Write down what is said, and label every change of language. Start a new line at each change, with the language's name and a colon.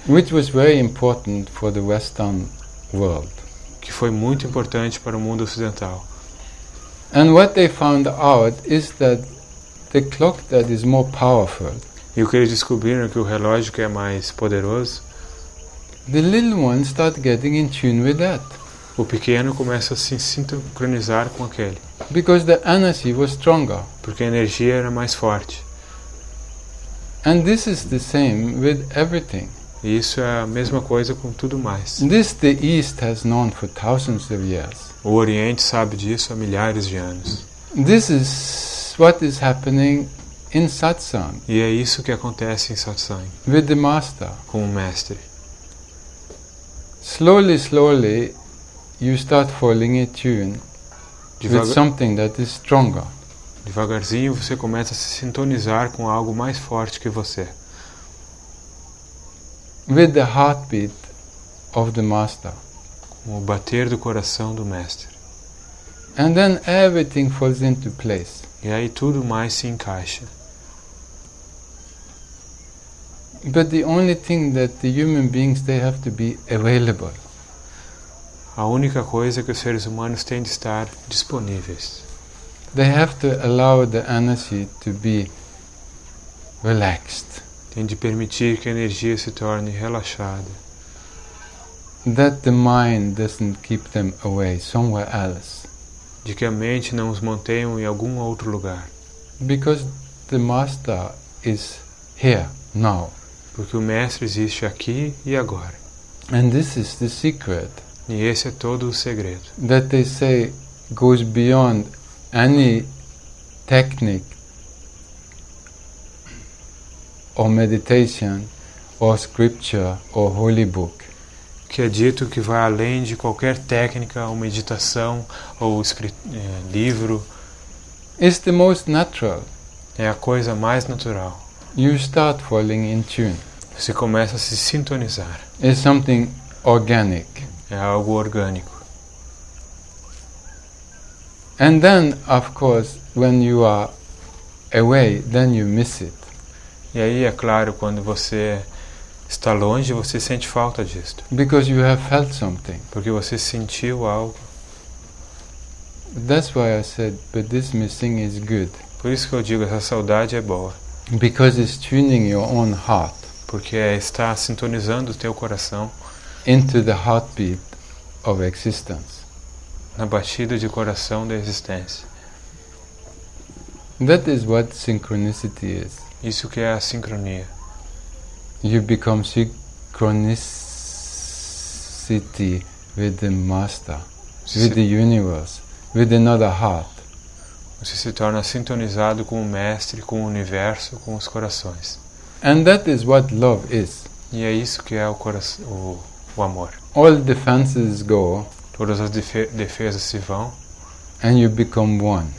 English: Which was very important for the Western world.
Portuguese: Que foi muito importante para o mundo ocidental.
English: And what they found out is that the clock that is more powerful.
Portuguese: E o que eles descobriram que o relógio que é mais poderoso.
English: The little one start getting in tune with that.
Portuguese: O pequeno começa a se sincronizar com aquele.
English: Because the energy was stronger.
Portuguese: Porque a energia era mais forte.
English: And this is the same with everything.
Portuguese: E isso é a mesma coisa com tudo mais.
English: This the East has known for thousands of years.
Portuguese: O Oriente sabe disso há milhares de anos.
English: This is what is happening in satsang.
Portuguese: E é isso que acontece em satsang.
English: With the master.
Portuguese: Com o mestre.
English: Slowly, slowly, you start falling in tune with something that is stronger.
Portuguese: Devagarzinho você começa a se sintonizar com algo mais forte que você.
English: With the heartbeat of the master.
Portuguese: Com o bater do coração do mestre.
English: And then everything falls into place.
Portuguese: E aí tudo mais se encaixa.
English: But the only thing that the human beings they have to be available.
Portuguese: A única coisa que os seres humanos têm de estar disponíveis.
English: They have to allow the energy to be relaxed.
Portuguese: Tem de permitir que a energia se torne relaxada.
English: That the mind doesn't keep them away somewhere else.
Portuguese: De que a mente não os mantenha em algum outro lugar.
English: Because the master is here now.
Portuguese: Porque o mestre existe aqui e agora.
English: And this is the secret.
Portuguese: E esse é todo o segredo.
English: That they say goes beyond any technique or meditation or scripture or holy book.
Portuguese: Que é dito que vai além de qualquer técnica ou meditação ou livro.
English: It's the most natural.
Portuguese: É a coisa mais natural.
English: You start falling in tune.
Portuguese: Você começa a se sintonizar.
English: It's something organic.
Portuguese: É algo orgânico.
English: And then, of course, when you are away, then you miss it.
Portuguese: E aí, é claro, quando você está longe, você sente falta disto.
English: Because you have felt something.
Portuguese: Porque você sentiu algo.
English: That's why I said, but this missing is good.
Portuguese: Por isso que eu digo, essa saudade é boa.
English: Because it's tuning your own heart.
Portuguese: Porque está sintonizando o teu coração
English: into the heartbeat of existence.
Portuguese: Na batida de coração da existência.
English: That is what synchronicity is.
Portuguese: Isso que é a sincronia.
English: You become synchronicity with the master, with the universe, with another heart.
Portuguese: Você se torna sintonizado com o mestre, com o universo, com os corações.
English: And that is what love is.
Portuguese: E é isso que é o amor.
English: All defenses go.
Portuguese: Todas as defesas se vão.
English: And you become one.